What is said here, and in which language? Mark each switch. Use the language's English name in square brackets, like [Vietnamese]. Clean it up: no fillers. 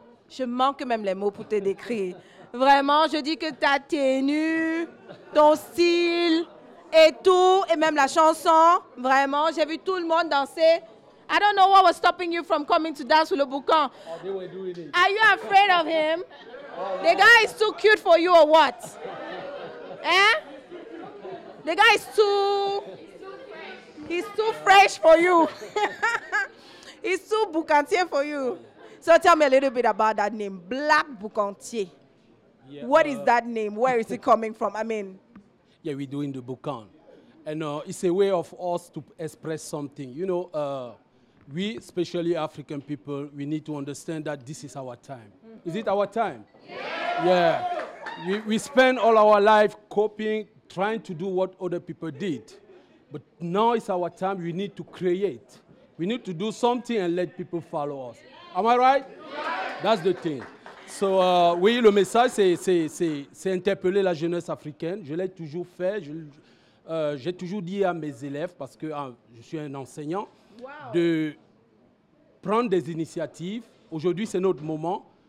[French] Je manque même les mots pour te décrire. Vraiment, je dis que ta tenue, ton style et tout, et même la chanson, vraiment, j'ai vu tout le monde danser. [English] I don't know what was stopping you from coming to dance with Le Boucan. Oh, they were doing it. Are you afraid of him? The guy is too cute for you or what? Eh? The guy is too... He's too fresh for you. He's too Boucantier for you. So tell me a little bit about that name, Black Boucantier. Yeah, what is that name? Where is it coming from? I mean. Yeah, we're doing the Boucan. And it's a way of us to express something. You know, we, especially African people, we need to understand that this is our time. Mm-hmm. Is it our time? Yeah. Yeah. We spend all our life coping, trying to do what other people did. But now it's our time. We need to create. We need to do something and let people follow us. Am I right? Yes. That's the thing. [French] So, oui, le message, c'est interpeller la jeunesse africaine. Je l'ai toujours fait. J'ai toujours dit à mes élèves, parce que je suis un enseignant, wow, de prendre des initiatives. Aujourd'hui, c'est notre moment.